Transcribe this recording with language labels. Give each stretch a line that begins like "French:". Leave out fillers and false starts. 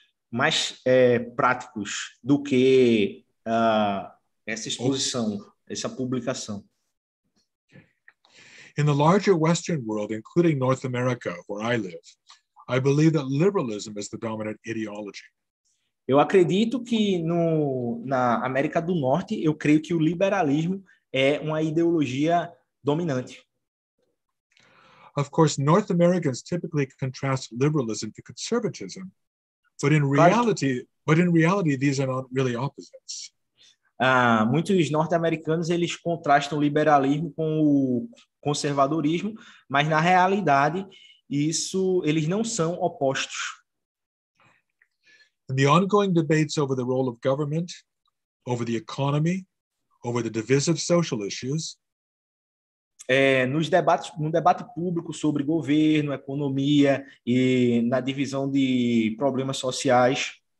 Portuguese: Mais práticos do que essa exposição, essa publicação.
English: In the larger Western world, including North America, where I live, I believe that liberalism is the dominant ideology.
Portuguese: Eu acredito que na América do Norte, eu creio que o liberalismo é uma ideologia dominante.
English: Of course, North Americans typically contrast liberalism to conservatism, but in reality, these are not really opposites.
Portuguese: Muitos norte-americanos, eles contrastam o liberalismo com o conservadorismo, mas na realidade, eles não são opostos.
English: And the ongoing debates over the role of government, over the economy, over the divisive social issues.
Portuguese: No debate público sobre governo, economia e na divisão de problemas sociais.